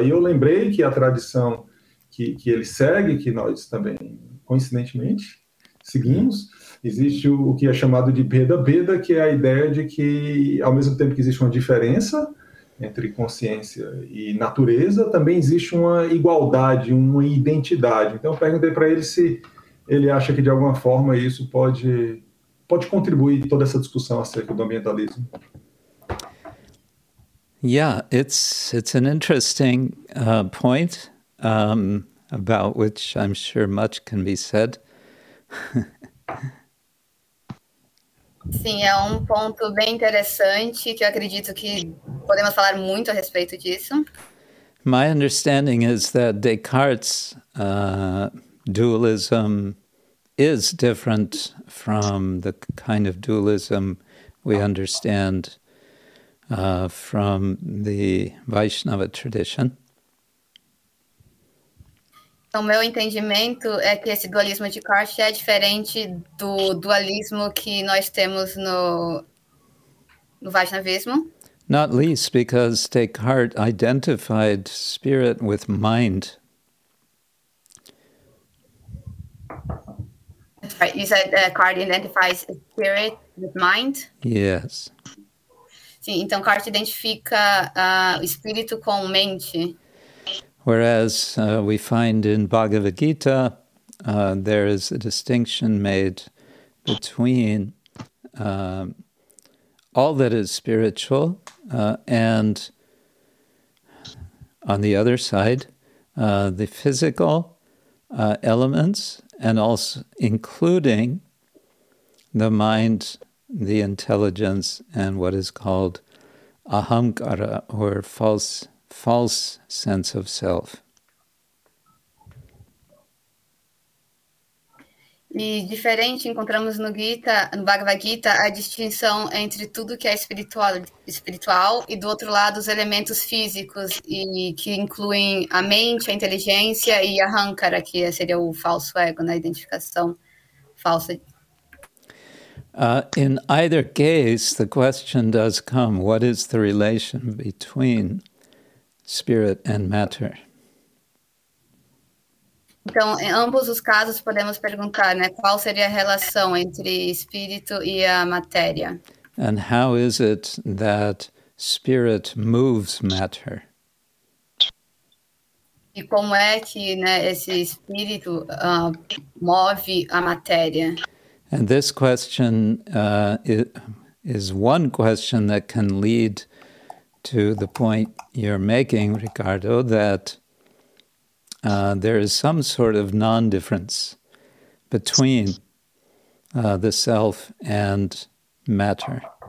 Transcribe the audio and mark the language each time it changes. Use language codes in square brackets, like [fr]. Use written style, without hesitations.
[pt] Aí eu lembrei que a tradição que ele segue, que nós também coincidentemente seguimos, existe o que é chamado de Beda Beda, que é a ideia de que, ao mesmo tempo que existe uma diferença entre consciência e natureza, também existe uma igualdade, uma identidade. Então eu perguntei para ele se ele acha que de alguma forma isso pode contribuir em toda essa discussão acerca do ambientalismo. [en] Yeah, it's an interesting point about which I'm sure much can be said. [pt] Sim, é ponto bem interessante que eu acredito que podemos falar muito a respeito disso. [en] My understanding is that Descartes' dualism is different from the kind of dualism we understand from the Vaishnava tradition. [pt] Então, meu entendimento é que esse dualismo de Descartes é diferente do dualismo que nós temos no Vaishnavismo. [en] Not least because Descartes identified spirit with mind. That's right. You said Descartes identifies spirit with mind? Yes. [pt] Sim, então Descartes identifica espírito com mente. [en] Whereas we find in Bhagavad Gita, there is a distinction made between all that is spiritual and, on the other side, the physical elements, and also including the mind, the intelligence, and what is called ahamkara, or false sense of self. [pt] E diferente, encontramos no Gita, no Bhagavad Gita, a distinção entre tudo que é espiritual e, do outro lado, os elementos físicos, e que incluem a mente, a inteligência e a ahankara, que seria o falso ego, na identificação falsa. [en] In either case, the question does come, what is the relation between spirit and matter? [pt] Então, em ambos os casos, podemos perguntar, né, qual seria a relação entre espírito e a matéria? [en] And how is it that spirit moves matter? [pt] E como é que, né, esse espírito move a matéria? [en] And this question is one question that can lead to the point you're making, Ricardo, that there is some sort of non-difference between the self and matter.